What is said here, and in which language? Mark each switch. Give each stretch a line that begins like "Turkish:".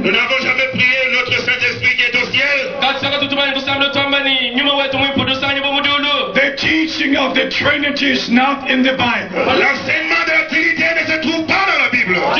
French: Nous n'avons jamais prié notre Saint-Esprit qui est au ciel.
English: The teaching of the Trinity is not in the Bible.
French: L'enseignement de la Trinité ne se trouve pas dans la Bible.